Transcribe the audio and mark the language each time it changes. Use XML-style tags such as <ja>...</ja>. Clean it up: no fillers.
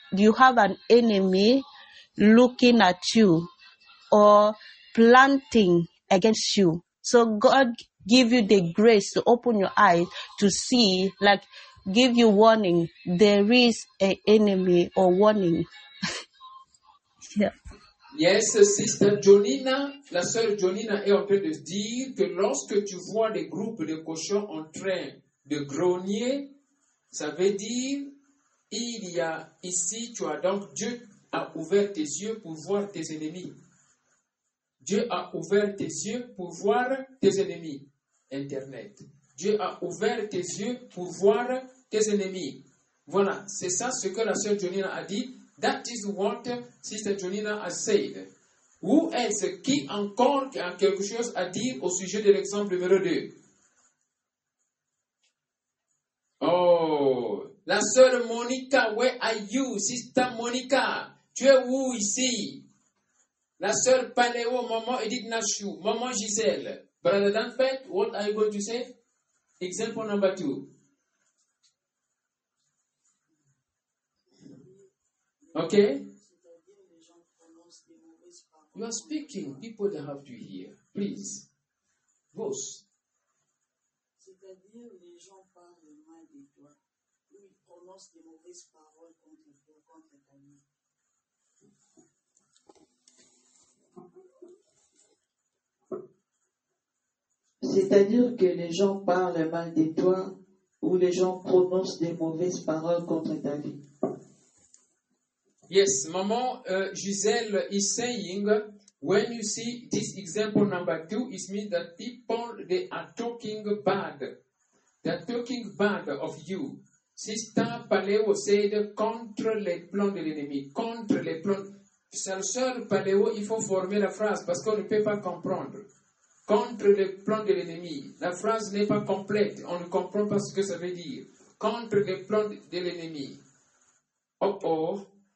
<en>You have an enemy looking at you or planting against you. So God give you the grace to open your eyes to see, like give you warning, there is an enemy or warning. Yes, sister Jonina,</en> <fr>la sœur Jonina est en train de dire que lorsque tu vois des groupes de cochons en train de grogner, ça veut dire il y a ici, tu as donc, Dieu a ouvert tes yeux pour voir tes ennemis. Dieu a ouvert tes yeux pour voir tes ennemis. Internet. Dieu a ouvert tes yeux pour voir tes ennemis. Voilà, c'est ça ce que la sœur Jonina a dit.</fr> <en>That is what sister Jonina has said. Who else?</en> <fr>Qui encore a quelque chose à dire au sujet de l'exemple numéro 2? Oh, la sœur Monica,</fr> <en>where are you? Sister Monica,</en> <fr>tu es où ici? La sœur Paléo, maman Edith Nashu, maman Gisèle.</fr> <en>Brother Danfait, what are you going to say? Example number 2. Okay. You are speaking. People, they have to hear. Please. Vos.</en> <fr>C'est-à-dire, les gens parlent mal de toi. Ou ils prononcent des mauvaises paroles contre toi, contre ta vie. C'est-à-dire que les gens parlent mal de toi ou les gens prononcent des mauvaises paroles contre ta vie.</fr> <en>Yes, maman, Giselle is saying, when you see this example number two, it means that people, they are talking bad. They are talking bad of you. Sister Paléo said,</en> <fr>contre les plans de l'ennemi, contre les plans. Sœur Paléo, il faut former la phrase parce qu'on ne peut pas comprendre. Contre les plans de l'ennemi. La phrase n'est pas complète. On ne comprend pas ce que ça veut dire. Contre les plans de l'ennemi. Oh oh.</fr>